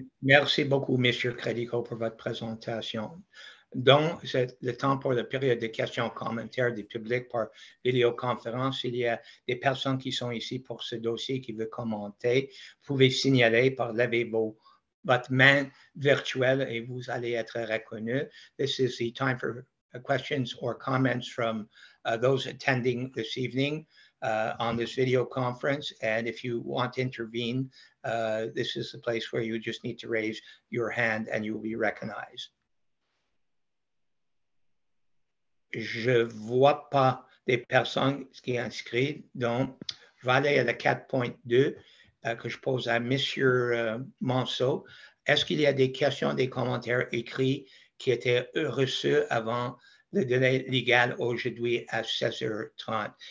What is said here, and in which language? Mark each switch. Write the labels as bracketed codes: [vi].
[fr] Merci beaucoup, M. Crédico, pour votre présentation. Donc, c'est le temps pour la période de questions et commentaires du public par vidéoconférence. Il y a des personnes qui sont ici pour ce dossier qui veulent commenter. Vous pouvez signaler par lever votre main virtuelle et vous allez être reconnu. [en] This is the time for questions or comments from those attending this evening on this video conference. And if you want to intervene, this is the place where you just need to raise your hand and you will be recognized. [fr] Je ne vois pas des personnes qui sont inscrites. Donc, je vais aller à la 4.2 que je pose à M. Monceau. Est-ce qu'il y a des questions, des commentaires écrits qui étaient reçus avant le délai légal aujourd'hui à 16h30?